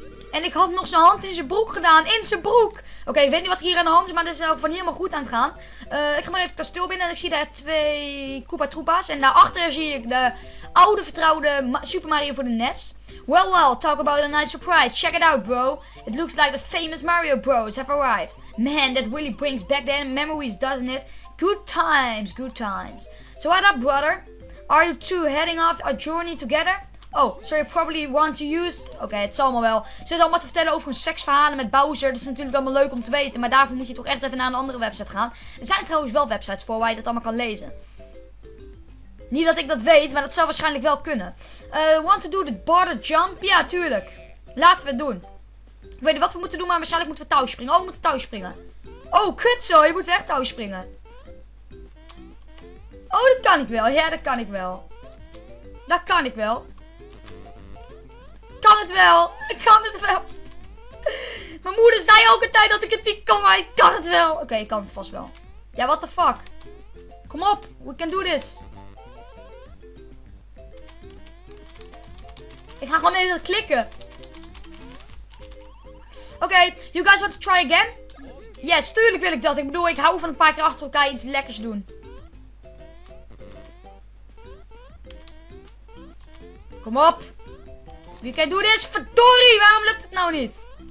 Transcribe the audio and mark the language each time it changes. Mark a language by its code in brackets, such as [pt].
[nl] En ik had nog zijn hand in zijn broek gedaan. In zijn broek. Oké, ik weet niet wat hier aan de hand is. Maar dit is ook van hier helemaal goed aan het gaan. Ik ga maar even het kasteel binnen. En ik zie daar twee Koopa Troopa's. En daarachter zie ik de oude vertrouwde Super Mario voor de NES. [en] Well, well. Talk about a nice surprise. Check it out, bro. It looks like the famous Mario Bros have arrived. Man, that really brings back the memories, doesn't it? Good times, good times. So what up, brother? Are you two heading off a journey together? Oh, so you probably want to use... [nl] Oké, het zal allemaal wel. Ze zitten allemaal te vertellen over hun seksverhalen met Bowser. Dat is natuurlijk allemaal leuk om te weten. Maar daarvoor moet je toch echt even naar een andere website gaan. Er zijn trouwens wel websites voor waar je dat allemaal kan lezen. Niet dat ik dat weet, maar dat zou waarschijnlijk wel kunnen. [en] Want to do the border jump? [nl] Ja, tuurlijk. Laten we het doen. Ik weet niet wat we moeten doen, maar waarschijnlijk moeten we touw springen. Oh, we moeten touw springen. Oh, kut zo. Je moet weg touw springen. Oh, dat kan ik wel. Ja, dat kan ik wel. Dat kan ik wel. Kan het wel. Ik kan het wel. Mijn moeder zei ook een tijd dat ik het niet kan, maar ik kan het wel. Oké, ik kan het vast wel. Ja, [en] what the fuck. [nl] Kom op. [en] We can do this. [nl] Ik ga gewoon even klikken. [en] Oké, you guys want to try again? [nl] Yes, tuurlijk wil ik dat. Ik bedoel, ik hou van een paar keer achter elkaar iets lekkers doen. Kom op. [en] We can do this. [nl] Verdorie. Waarom lukt het nou niet?